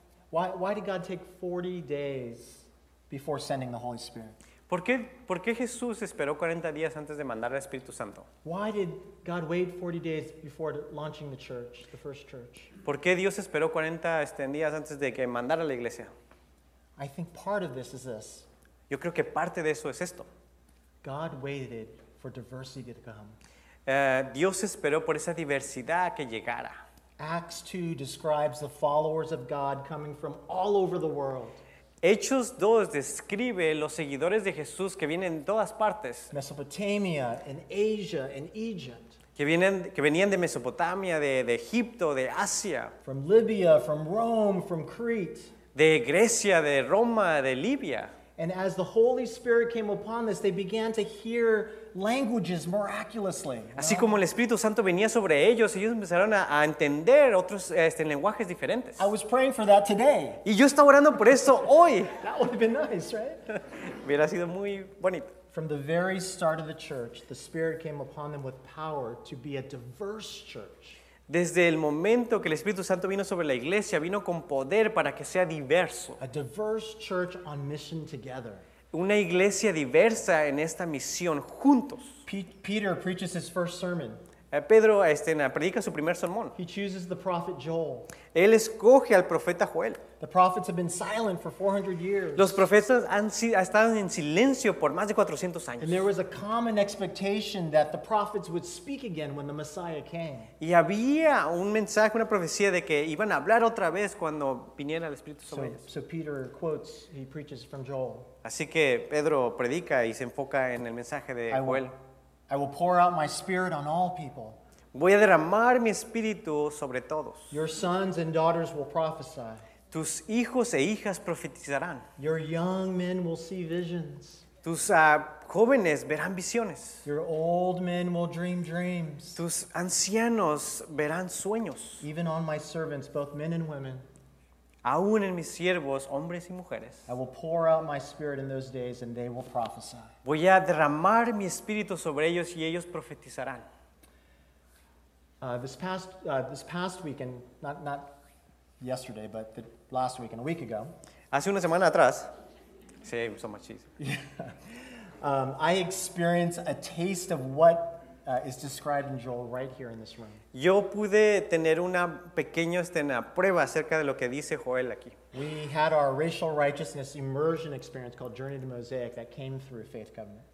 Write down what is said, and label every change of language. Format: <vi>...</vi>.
<en>Why did God take 40 days before sending the Holy Spirit?</en> <es>¿Por qué Jesús esperó 40 días antes de mandar al Espíritu Santo?</es> <en>Why did God wait 40 days before launching the church, the first church?</en> <es>¿Por qué Dios esperó 40 días antes de que mandara la iglesia?</es> <en>I think part of this is this.</en> <es>Yo creo que parte de eso es esto.</es> <en>God waited for diversity to come.</en> <es>Dios esperó por esa diversidad que llegara.</es> <en>Acts 2 describes the followers of God coming from all over the world.</en> <es>Hechos 2 describe los seguidores de Jesús que vienen de todas partes.</es> <en>Mesopotamia, en Asia, en Egypt.</en> <es>Que venían de Mesopotamia, de Egipto, de Asia.</es> <en>From Libya, from Rome, from Crete.</en> <es>De Grecia, de Roma, de Libia.</es> <en>And as the Holy Spirit came upon this, they began to hear languages miraculously.</en> <es>Así como el Espíritu Santo venía sobre ellos empezaron a entender otros lenguajes diferentes.</es> <en>I was praying for that today.</en> <es>Y yo estaba orando por eso hoy.</es> <en>That would have been nice, right?</en> <es>Hubiera sido muy bonito.</es> <en>From the very start of the church, the Spirit came upon them with power to be a diverse church.</en> <es>Desde el momento que el Espíritu Santo vino sobre la iglesia, vino con poder para que sea diverso.</es> <en>A diverse church on mission together.</en> <es>Una iglesia diversa en esta misión juntos.</es> <en>Peter preaches his first sermon.</en> <es>Pedro predica su primer sermón.</es> <en>He chooses the prophet Joel.</en> <es>Él escoge al profeta Joel.</es> <en>The prophets have been silent for 400 years.</en> <es>Los profetas han estado en silencio por más de 400 años.</es> <en>And there was a common expectation that the prophets would speak again when the Messiah came.</en> <es>Y había un mensaje, una profecía de que iban a hablar otra vez cuando viniera el Espíritu sobre ellos.</es> <en>So Peter quotes, he preaches from Joel.</en> <es>Así que Pedro predica y se enfoca en el mensaje de Joel.</es> <en>I will pour out my spirit on all people.</en> <es>Voy a derramar mi espíritu sobre todos.</es> <en>Your sons and daughters will prophesy.</en> <es>Tus hijos e hijas profetizarán.</es> <en>Your young men will see visions.</en> <es>Tus jóvenes verán visiones.</es> <en>Your old men will dream dreams.</en> <es>Tus ancianos verán sueños.</es> <en>Even on my servants, both men and women.</en> <es>Aún en mis siervos, hombres y mujeres.</es> <en>I will pour out my spirit in those days and they will prophesy.</en> <es>Voy a derramar mi espíritu sobre ellos y ellos profetizarán.</es> <en>This past weekend, a week ago.</en> <es>Hace una semana atrás. Sí,</es> <en>so much cheese. I experienced a taste of what is described in Joel right here in this room.</en> <es>Yo pude tener una pequeña prueba acerca de lo que dice Joel aquí.</es> <en>We had our racial righteousness immersion experience called Journey to Mosaic that came through Faith Covenant.</en>